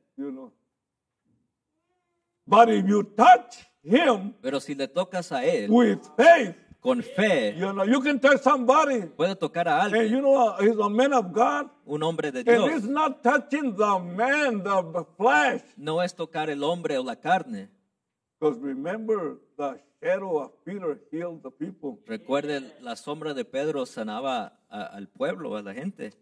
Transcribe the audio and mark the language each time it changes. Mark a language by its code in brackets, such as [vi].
[en] You know. But if you touch him. [es] Pero si le tocas a él. [en] With faith. [es] Con fe. [en] You know, you can touch somebody. [es] Puede tocar a alguien. [en] And you know, he's a man of God. [es] Un hombre de [en] and [es] Dios. [en] And he's not touching the man, the flesh. [es] No es tocar el hombre o la carne. [en] Because remember, the shadow of Peter healed the people. [es] Recuerde, la sombra de Pedro sanaba al pueblo, a la gente.